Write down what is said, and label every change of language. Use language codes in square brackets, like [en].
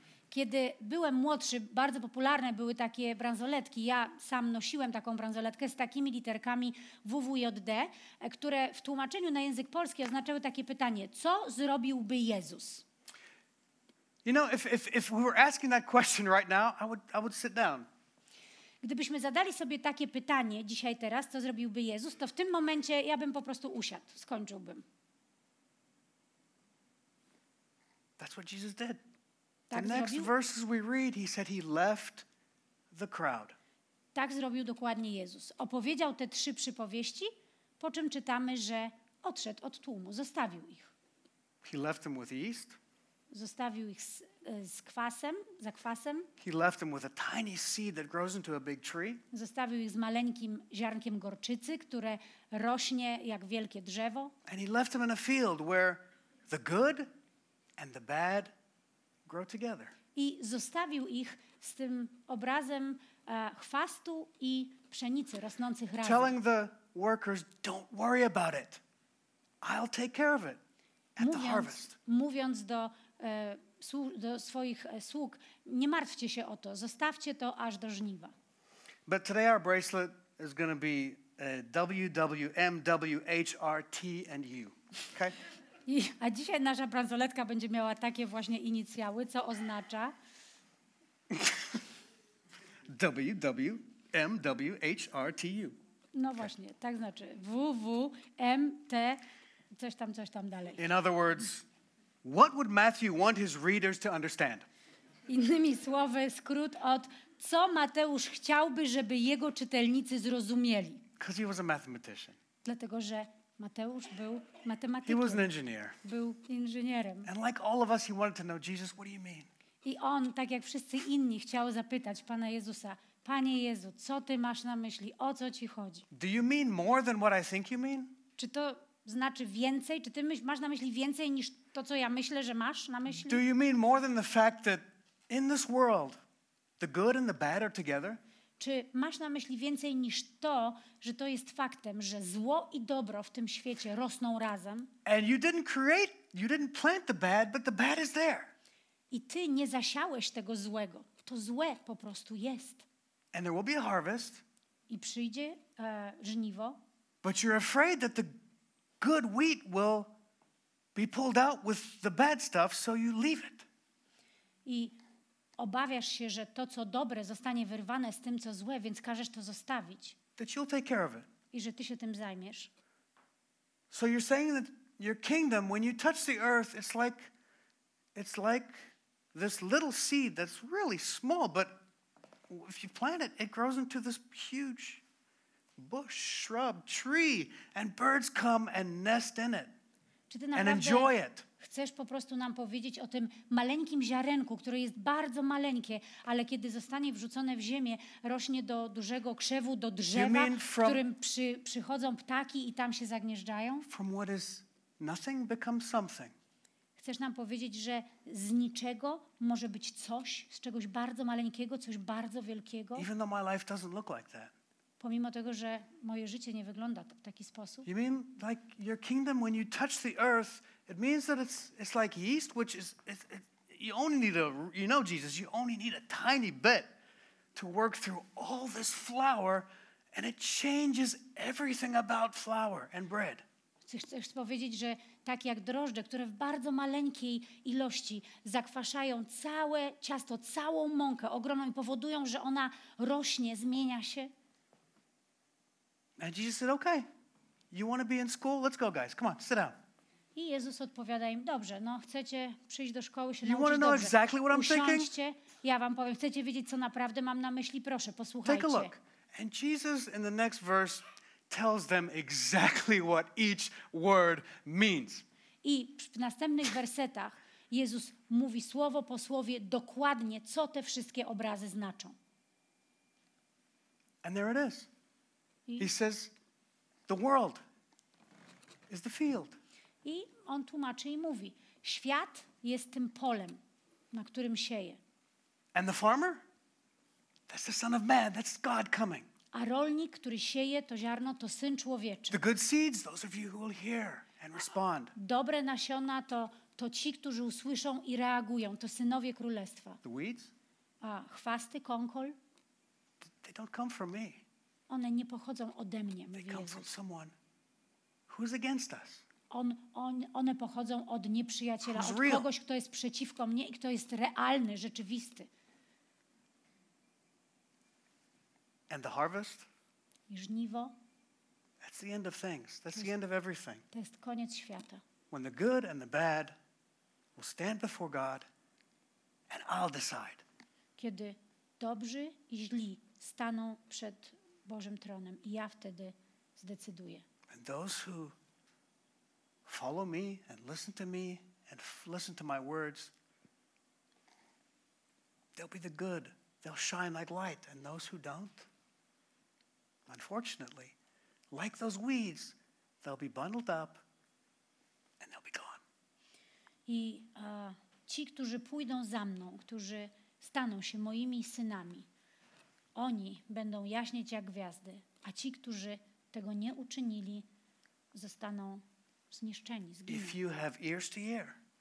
[pl] Kiedy byłem młodszy, bardzo popularne były takie bransoletki. Ja sam nosiłem taką bransoletkę z takimi literkami WWJD, które w tłumaczeniu na język polski oznaczały takie pytanie: co zrobiłby Jezus? [en] You know, if we were asking that question right now, I would sit down. [pl] Gdybyśmy zadali sobie takie pytanie dzisiaj teraz, co zrobiłby Jezus, to w tym momencie ja bym po prostu usiadł, skończyłbym. [en] That's what Jesus did. The next verses we read, he said he left the crowd. [pl] Tak zrobił dokładnie Jezus. Opowiedział te trzy przypowieści, po czym czytamy, że odszedł od tłumu, zostawił ich. [en] He left them with yeast. [pl] Zostawił ich z kwasem, za kwasem. [en] He left them with a tiny seed that grows into a big tree. [pl] Zostawił ich z maleńkim ziarnkiem gorczycy, które rośnie jak wielkie drzewo. [en] And he left them in a field where the good and the bad grow together. [pl] I zostawił ich z tym obrazem chwastu i pszenicy rosnących razem. [en] Telling the workers, don't worry about it. I'll take care of it at the harvest. [pl] Mówiąc do swoich sług, nie martwcie się o to, zostawcie to aż do żniwa. [en] But today our bracelet is going to be WWMWHRTNU. Okay? [pl] A dzisiaj nasza bransoletka będzie miała takie właśnie inicjały, co oznacza WWMWHRTU. No właśnie, tak znaczy WWMT coś tam dalej. [en] In other words, what would Matthew want his readers to understand? [pl] Innymi słowy, skrót od co Mateusz chciałby, żeby jego czytelnicy zrozumieli. [en] Because he was a mathematician. [pl] Dlatego, że Mateusz był matematykiem. [en] He was an engineer. [pl] Był inżynierem. [en] And like all of us, he wanted to know, Jesus, what do you mean? [pl] I on, tak jak wszyscy inni, chciał zapytać Pana Jezusa, Panie Jezu, co Ty masz na myśli, o co Ci chodzi? [en] Do you mean more than what I think you mean? [pl] Czy to znaczy więcej? Czy Ty masz na myśli więcej niż to, co ja myślę, że masz na myśli? [en] Do you mean more than the fact that in this world, the good and the bad are together? [pl] Czy masz na myśli więcej niż to, że to jest faktem, że zło i dobro w tym świecie rosną razem? [en] And you didn't create, you didn't plant the bad, but the bad is there. [pl] I ty nie zasiałeś tego złego. To złe po prostu jest. [en] And there will be a harvest. [pl] I przyjdzie żniwo. [en] But you're afraid that the good wheat will be pulled out with the bad stuff, so you leave it. [pl] I obawiasz się, że to, co dobre, zostanie wyrwane z tym, co złe, więc każesz to zostawić. [en] That you'll take care of it. [pl] I że ty się tym zajmiesz. [en] So you're saying that your kingdom, when you touch the earth, it's like this little seed that's really small, but if you plant it, it grows into this huge bush, shrub, tree, and birds come and nest in it. [pl] Czy ty naprawdę [en] enjoy it? [pl] Chcesz po prostu nam powiedzieć o tym maleńkim ziarenku, które jest bardzo maleńkie, ale kiedy zostanie wrzucone w ziemię, rośnie do dużego krzewu, do drzewa, [en] from, [pl] w którym przychodzą ptaki i tam się zagnieżdżają? [en] From what is nothing become something. [pl] Chcesz nam powiedzieć, że z niczego może być coś, z czegoś bardzo maleńkiego, coś bardzo wielkiego? [en] Even though my life doesn't look like that. [pl] Pomimo tego, że moje życie nie wygląda w taki sposób. [en] You mean like your kingdom when you touch the earth, it means that it's like yeast, which is you only need a, you know, Jesus, you only need a tiny bit to work through all this flour, and it changes everything about flour and bread. [pl] Chcesz powiedzieć, że tak jak drożdże, które w bardzo maleńkiej ilości zakwaszają całe ciasto, całą mąkę ogromną i powodują, że ona rośnie, zmienia się. [en] And Jesus said, okay, you want to be in school? Let's go, guys. Come on, sit down. [pl] I Jezus odpowiada im, dobrze, no chcecie przyjść do szkoły, się [en] you [pl] nauczyć, [en] know [pl] dobrze. [en] Exactly what I'm [pl] usiądźcie, [en] thinking? [pl] Ja wam powiem, chcecie wiedzieć, co naprawdę mam na myśli, proszę, posłuchajcie. [en] Take a look. And Jesus in the next verse tells them exactly what each word means. [pl] I w następnych wersetach Jezus mówi słowo po słowie dokładnie, co te wszystkie obrazy znaczą. [en] And there it is. He says, the world is the field. [pl] I on tłumaczy i mówi, świat jest tym polem, na którym sieje. [en] And the farmer? That's the Son of Man, that's God coming. [pl] A rolnik, który sieje to ziarno, to Syn Człowieczy. [en] The good seeds, those of you who will hear and respond. [pl] Dobre nasiona to ci, którzy usłyszą i reagują, to synowie królestwa. [en] The weeds? [pl] A chwasty, konkol? They don't come from me. One nie pochodzą ode mnie, mówi Jezus. [en] They come from someone who's against us. [pl] One pochodzą od nieprzyjaciela, od kogoś, kto jest przeciwko mnie i kto jest realny, rzeczywisty. [en] And the harvest? [pl] I żniwo? [en] That's the end of things. That's the end of everything. [pl] To jest koniec świata. [en] When the good and the bad will stand before God and I'll decide. [pl] Kiedy dobrzy i źli staną przed Bożym tronem i ja wtedy zdecyduję. [en] And those who follow me and listen to me and listen to my words, they'll be the good. They'll shine like light. And those who don't, unfortunately, like those weeds, they'll be bundled up and they'll be gone. [pl] I ci, którzy pójdą za mną, którzy staną się moimi synami, oni będą jaśnieć jak gwiazdy, a ci, którzy tego nie uczynili, zostaną zniszczeni, zginą. [en] If you have ears to hear,